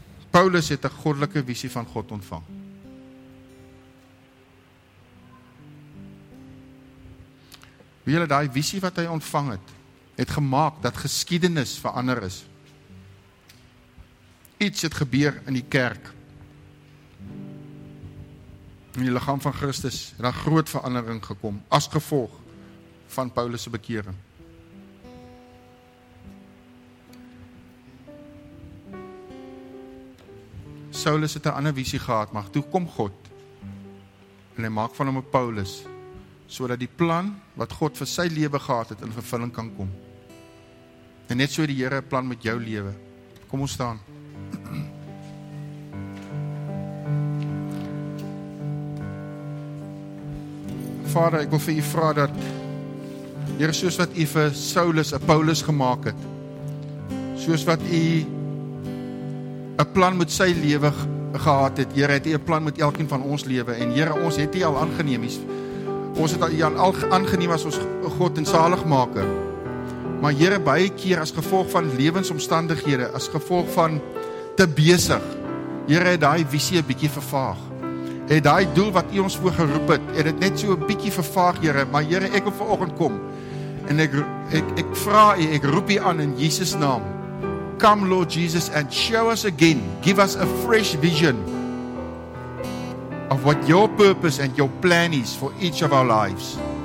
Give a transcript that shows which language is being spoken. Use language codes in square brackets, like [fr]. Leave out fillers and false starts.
[af] Paulus het 'n goddelike visie van God ontvang. Wie hulle daai visie wat hy ontvang het, het gemaak dat geskiedenis verander is. Iets het gebeur in die kerk. In die liggaam van Christus het 'n groot verandering gekom as gevolg van Paulus se bekering. Saulus het 'n ander visie gehad, maar toe kom God en hy maak van hom 'n Paulus, sodat die plan wat God vir sy lewe gehad het in vervulling kan kom. En net so het die Here 'n plan met jou lewe. Kom ons staan. Vader, ek wil vir u vra dat Here, soos wat u vir Saulus 'n Paulus gemaak het, soos wat u 'n plan met sy lewe gehad het, Here, het U 'n plan met elkeen van ons lewe, en Here, ons het U al aangeneem. Ons het U al aangeneem as ons God en saligmaker. Maar Here, baie keer as gevolg van lewensomstandighede, as gevolg van te besig, Here, het daai visie 'n bietjie vervaag. Het daai doel wat U ons voor geroep het, het dit net so 'n bietjie vervaag, Here. Maar Here, ek wil vanoggend kom en ek vra U, ek roep U aan in Jesus naam. [en] Come, Lord Jesus, and show us again. Give us a fresh vision of what your purpose and your plan is for each of our lives.